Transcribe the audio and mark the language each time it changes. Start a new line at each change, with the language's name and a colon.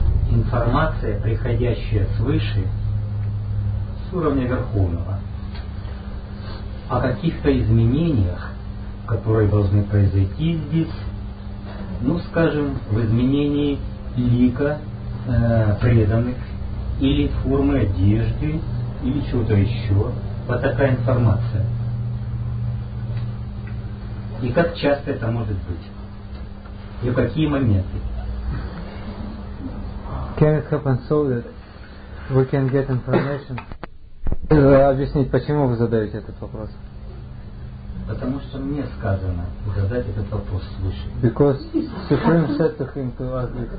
Russian: Информация, приходящая свыше, с уровня верховного, о каких-то изменениях, которые должны произойти здесь, ну, скажем, в изменении лика преданных, или формы одежды, или чего-то еще. Вот такая информация. И как часто это может быть? И в какие моменты?
English: Can it happen so that we can get information?
Russian: Объяснить, почему вы задаете этот вопрос? Потому что мне сказано задать этот вопрос свыше.
English: Because Supreme said to him to ask this.